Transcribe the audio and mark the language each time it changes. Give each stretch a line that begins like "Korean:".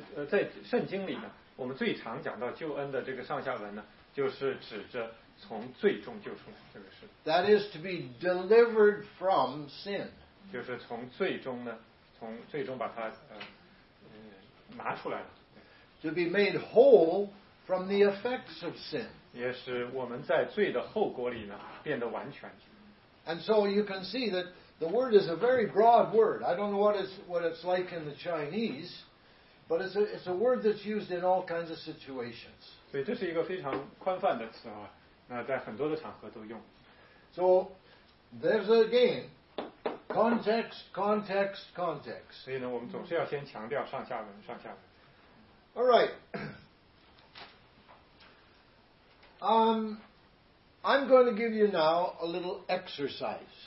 Chinese: 在圣经里呢，我们最常讲到救恩的这个上下文呢，就是指着从罪中救出来，这个是。
English: That is to be delivered from sin.
Chinese: 就是从罪中呢，从罪中把它拿出来了。
English: To be made whole from the effects of sin.
Chinese: 也是我们在罪的后果里呢，变得完全。
English: And so you can see that the word is a very broad word. I don't know what it's like in the Chinese, but it's a word that's used in all kinds of situations.
Chinese: 所以这是一个非常宽泛的词啊，那在很多的场合都用。
English: So there's again context, context, context.
Chinese: 所以呢，我们总是要先强调上下文，上下文。
English: All right. I'm going to give you now a little exercise.